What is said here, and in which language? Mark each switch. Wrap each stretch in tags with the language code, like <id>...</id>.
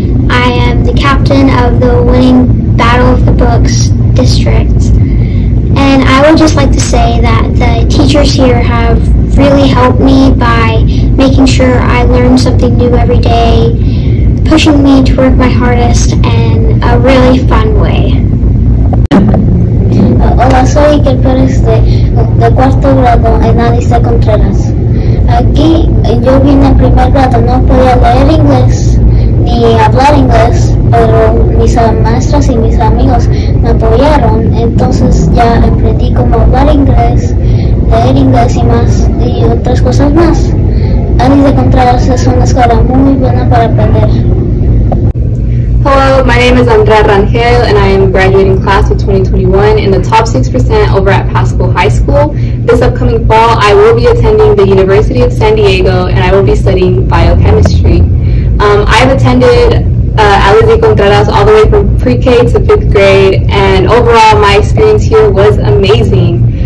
<en>I am the captain of the winning Battle of the Books district, and I would just like to say that the teachers here have really helped me by making sure I learn something new every day, pushing me to work my hardest in a really fun way.</en> <es>Hola, soy Iker Pérez de cuarto grado en Alice Contreras. Aquí yo vine en primer grado, no podía leer inglés ni hablar inglés, pero mis maestras y mis amigos me apoyaron, entonces ya aprendí cómo hablar inglés, leer inglés y más, y otras cosas más. Alice Contreras es una escuela muy buena para aprender.</es> <en>Hello, my name is Andrea Rangel and I am graduating class of 2021 in the top 6% over at Pasco High School. This upcoming fall, I will be attending the University of San Diego and I will be studying biochemistry. I've attended Alice Contreras all the way from pre-K to fifth grade, and overall my experience here was amazing.</en>